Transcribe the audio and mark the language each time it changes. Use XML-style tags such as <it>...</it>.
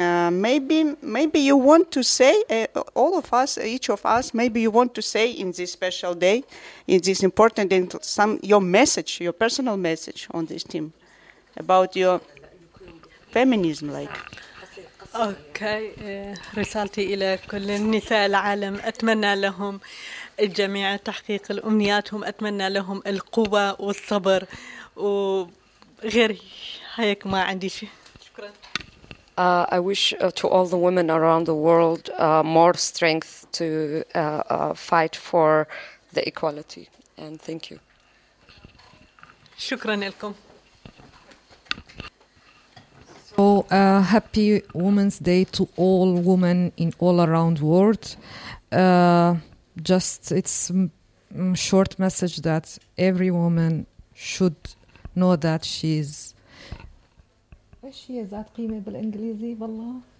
<en>Maybe you want to say, all of us, each of us, maybe you want to say in this special day, in this important day, some your message, your personal message on this team about your feminism, like.</en> <ar>Okay, رسالتي إلى كل النساء العالم. أتمنى لهم الجميع تحقيق الأمنياتهم. أتمنى لهم القوة والصبر وغير هيك ما عندي شيء.</ar> <en>I wish to all the women around the world more strength to fight for the equality. And thank you.</en> <ar>شكراً لكم.</ar> <en>So happy Women's Day to all women in all around the world. Just it's short message that every woman should know that she is.</en> <ar>ايش هي ذات قيمه بالانجليزي بالله</ar>